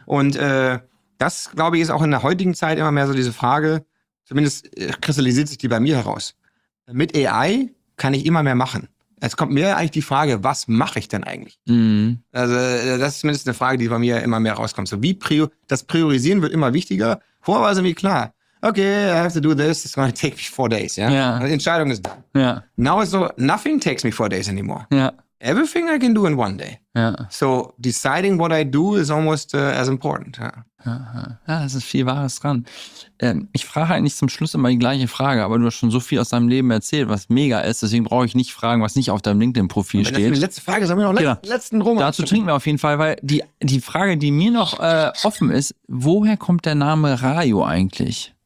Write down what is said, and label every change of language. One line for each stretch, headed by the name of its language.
German: Und das, glaube ich, ist auch in der heutigen Zeit immer mehr so diese Frage, zumindest kristallisiert sich die bei mir heraus. Mit AI kann ich immer mehr machen. Es kommt mir eigentlich die Frage, was mache ich denn eigentlich? Mhm. Also das ist zumindest eine Frage, die bei mir immer mehr rauskommt. So, das Priorisieren wird immer wichtiger. Vorher war es irgendwie klar.
English: Okay, I have to do this, it's gonna take me 4 days, ja? Yeah?
German: Yeah. Entscheidung ist done.
English: Yeah. Now it's so, nothing takes me 4 days anymore. Yeah. Everything I can do in one day. Yeah. So, deciding what I do is almost as important. Yeah. Aha.
German: Ja, das ist viel Wahres dran. Ich frage eigentlich zum Schluss immer die gleiche Frage, aber du hast schon so viel aus deinem Leben erzählt, was mega ist, deswegen brauche ich nicht fragen, was nicht auf deinem LinkedIn-Profil steht. Das ist die letzte Frage, sagen wir noch letzten Roman. Dazu trinken wir auf jeden Fall, weil die Frage, die mir noch offen ist, woher kommt der Name Rajo eigentlich?